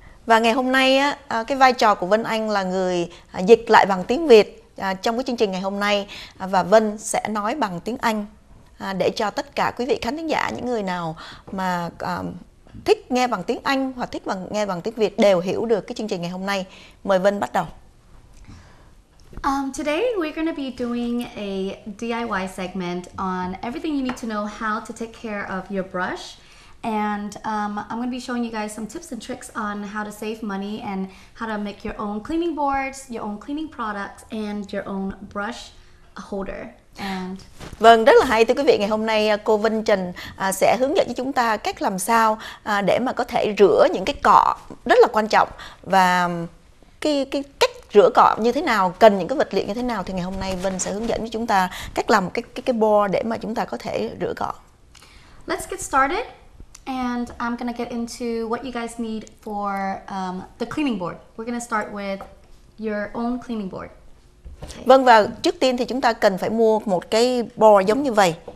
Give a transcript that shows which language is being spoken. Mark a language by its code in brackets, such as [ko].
[vi] Và ngày hôm nay cái vai trò của Vân Anh là người dịch lại bằng tiếng Việt trong cái chương trình ngày hôm nay, và Vân sẽ nói bằng tiếng Anh để cho tất cả quý vị khán thính giả, những người nào mà thích nghe bằng tiếng Anh hoặc thích nghe bằng tiếng Việt đều hiểu được cái chương trình ngày hôm nay. Mời Vân bắt đầu. [en] Today we're going to be doing a DIY segment on everything you need to know how to take care of your brush. And I'm going to be showing you guys some tips and tricks on how to save money and how to make your own cleaning boards, your own cleaning products, and your own brush holder. And [vi] vâng, rất là hay thưa quý vị. Ngày hôm nay cô Vân Trần sẽ hướng dẫn cho chúng ta cách làm sao để mà có thể rửa những cái cọ rất là quan trọng, và cái cách rửa cọ như thế nào, cần những cái vật liệu như thế nào, thì ngày hôm nay Vân sẽ hướng dẫn cho chúng ta cách làm cái board để mà chúng ta có thể rửa cọ. [en] Let's get started. And I'm gonna get into what you guys need for the cleaning board. We're gonna start with your own cleaning board. Okay. [vi] Vâng, và trước tiên thì chúng ta cần phải mua một cái board giống như vậy.